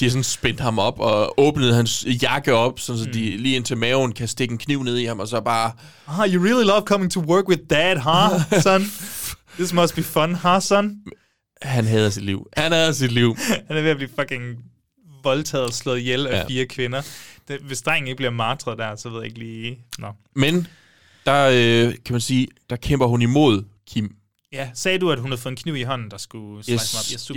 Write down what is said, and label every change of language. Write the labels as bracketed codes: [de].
[da] De har sådan spændt ham op og åbnet hans jakke op, sådan, så de lige indtil maven kan stikke en kniv ned i ham, og så bare... [en] you really love coming to work with dad, huh, son? This must be fun, huh, son? [da] Han hader sit liv. Han er ved at blive fucking voldtaget og slået ihjel af fire kvinder. Hvis drengen ikke bliver martret der, så ved jeg ikke lige... Nå. Men... der kan man sige, der kæmper hun imod Kim. Ja, sagde du, at hun havde fået en kniv i hånden, der skulle slice mig op?